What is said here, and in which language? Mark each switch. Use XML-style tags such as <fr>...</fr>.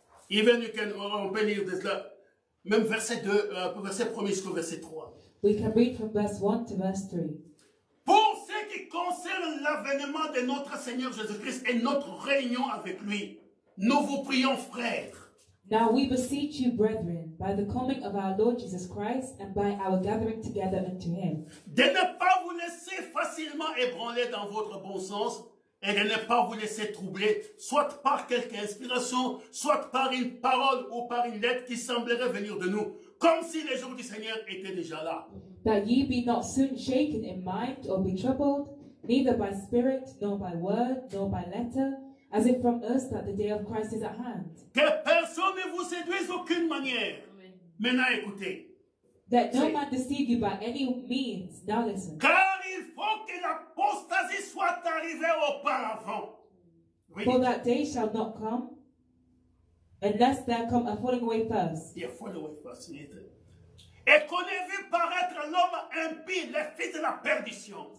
<en>Even you can open it this</en> <fr>là. Même verset 2, verset 1 jusqu'au verset 3.</fr> <en>We can read from verse 1 to verse 3.</en> <fr>Pour ce qui concerne l'avènement de notre Seigneur Jésus-Christ et notre réunion avec lui, nous vous prions, frères.</fr> <en>Now we beseech you, brethren, by the coming of our Lord Jesus Christ and by our gathering together unto him,</en> <fr>de ne pas vous laisser facilement ébranler dans votre bon sens et de ne pas vous laisser troubler, soit par quelque inspiration, soit par une parole ou par une lettre qui semblerait venir de nous, comme si les jours du Seigneur étaient déjà là.</fr> <en>That ye be not soon shaken in mind or be troubled, neither by spirit, nor by word, nor by letter, as if from us that the day of Christ is at hand.</en> <fr>Que personne ne vous séduise d'aucune manière. Maintenant, écoutez.</fr> <en>That no man deceive you by any means. Now listen.</en> <fr>Car il faut que l'apostasie soit arrivée auparavant. Oui.</fr> <en>For that day shall not come unless there come a falling away first. Yeah, falling away first.</en> <fr>Et qu'on ait vu paraître l'homme impie, le fils de la perdition.</fr>